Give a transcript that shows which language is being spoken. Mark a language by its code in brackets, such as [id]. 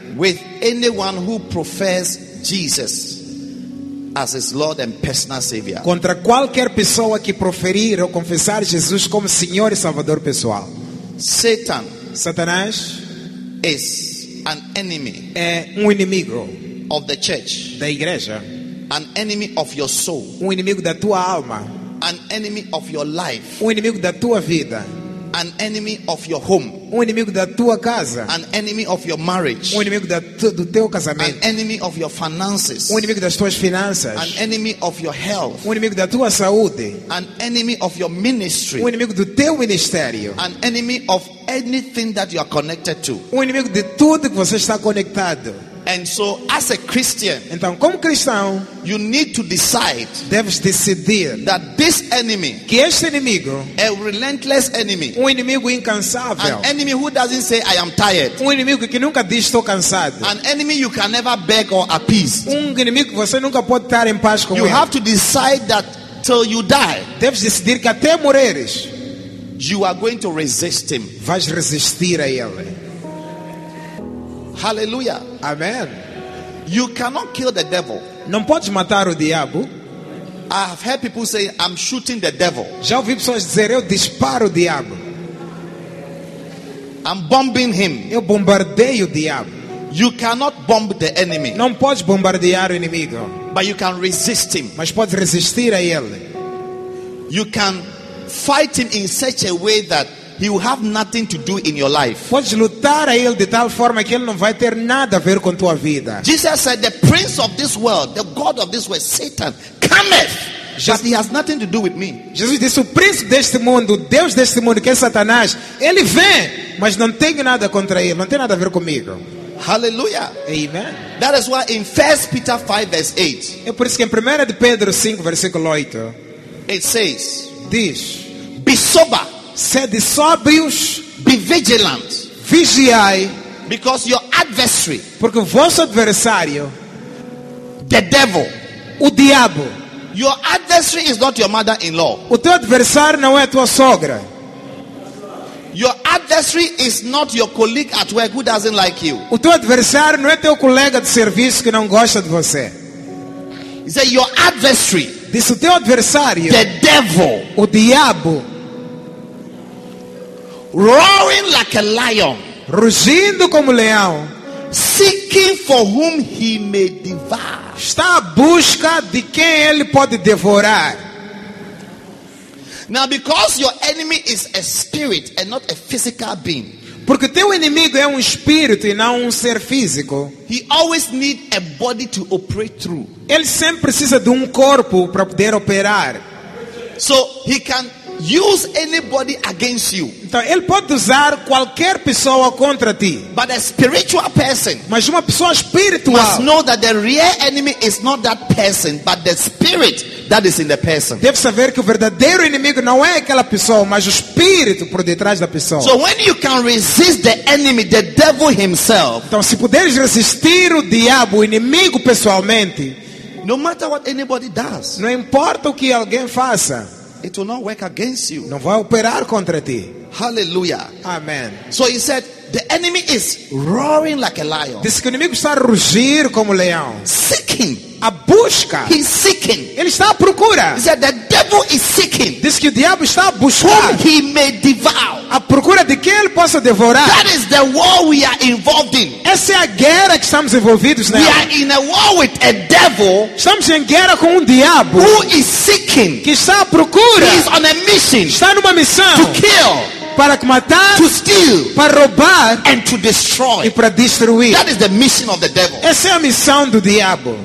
[en] With anyone who professes Jesus as his Lord and personal Savior. [pt] Contra qualquer pessoa que proferir ou confessar Jesus como Senhor e Salvador pessoal. [en] Satan. [pt] Satanás. [en] Is an enemy. [pt] É inimigo. [en] Of the church. [pt] Da igreja. [en] An enemy of your soul. [pt] Inimigo da tua alma. [en] An enemy of your life. [pt] Inimigo da tua vida. [en] An enemy of your home. [pt] Inimigo da tua casa. [en] An enemy of your marriage. [pt] Inimigo do teu casamento. [en] An enemy of your finances. [pt] Inimigo das tuas finanças. [en] An enemy of your health. [pt] Inimigo da tua saúde. [en] An enemy of your ministry. [pt] Inimigo do teu ministério. [en] An enemy of anything that you are connected to. [pt] Inimigo de tudo que você está conectado. [en] And so as a Christian, [pt] então como cristão, [en] you need to decide. [pt] Deves decidir [en] that this enemy, [pt] que este inimigo, [en] a relentless enemy, [pt] inimigo incansável, [en] an enemy who doesn't say I am tired, [pt] inimigo que nunca diz estou cansado, [en] an enemy you can never beg or appease, [pt] inimigo que você nunca pode estar em paz com [en] ele. You have to decide that till you die. [pt] Deves decidir que até morreres, [en] you are going to resist him. [pt] Vais resistir a ele. Hallelujah. Amen. [en] You cannot kill the devil. [pt] Não podes matar o diabo. [en] I have heard people say, I'm shooting the devil. [pt] Já ouvi pessoas dizer, eu disparo o diabo. [en] I'm bombing him. [pt] Eu bombardeio o diabo. [en] You cannot bomb the enemy. [pt] Não podes bombardear o inimigo. [en] But you can resist him. [pt] Mas podes resistir a ele. [en] You can fight him in such a way that he will have nothing to do in your life. [pt] Pode lutar a ele de tal forma que ele não vai ter nada a ver com tua vida. [en] Jesus said, the prince of this world, the god of this world, Satan, cometh. Just, he has nothing to do with me. [pt] Jesus disse, o príncipe deste mundo, Deus deste mundo, que é Satanás, ele vem, mas não tem nada contra ele, não tem nada a ver comigo. Hallelujah. Amen. [en] That is why in 1 Peter 5 verse 8. [pt] É por isso que em 1 Pedro 5 versículo 8. [en] It says, [pt] diz, [en] be sober. [pt] Sede sóbrios. [en] Be vigilant. [pt] Vigiai. [en] Because your adversary. [pt] Porque o vosso adversário. [en] The devil. [pt] O diabo. [en] Your adversary is not your mother-in-law. [pt] O teu adversário não é a tua sogra. [en] Your adversary is not your colleague at work who doesn't like you. [pt] O teu adversário não é teu colega de serviço que não gosta de você. [en] He said, your adversary. [pt] Diz, o teu adversário. [en] The devil. [pt] O diabo. [en] Roaring like a lion. [pt] Rugindo como leão. [en] Seeking for whom he may devour. [pt] Está à busca de quem ele pode devorar. [en] Now, because your enemy is a spirit and not a physical being. [pt] Porque teu inimigo é espírito e não ser físico. [en] He always needs a body to operate through. [pt] Ele sempre precisa de corpo para poder operar. [en] So he can use anybody against you. [pt] Então ele pode usar qualquer pessoa contra ti. [en] But a spiritual person. [pt] Mas uma pessoa espiritual. [en] Must know that the real enemy is not that person, but the spirit that is in the person. [pt] Deve saber que o verdadeiro inimigo não é aquela pessoa, mas o espírito por detrás da pessoa. [en] So when you can resist the enemy, the devil himself. [pt] Então se puderes resistir o diabo, o inimigo pessoalmente. [en] No matter what anybody does. [pt] Não importa o que alguém faça. [en] It will not work against you. [pt] Não vai operar contra ti. Hallelujah. Amen. [en] So he said, the enemy is roaring like a lion. [pt] Diz que o inimigo está a rugir como leão. [en] Seeking. [pt] A busca. [en] He's seeking. [pt] Ele está à procura. [en] He said, the devil is seeking. [pt] Diz que o diabo está a buscar. [en] Whom he may devour. [pt] A procura de quem ele possa devorar. [en] That is the war we are involved in. [pt] Essa é a guerra que estamos envolvidos nela. [en] We are in a war with a devil. [pt] Estamos em guerra com diabo. [en] Who is seeking. [pt] Que está à procura. [en] He is on a mission. [pt] Está numa missão. [en] To kill. [pt] Para matar, [en] to steal, [pt] para roubar, [en] and to destroy. [pt] E para destruir. [en] That is the mission of the devil. [pt] Essa é a missão do diabo.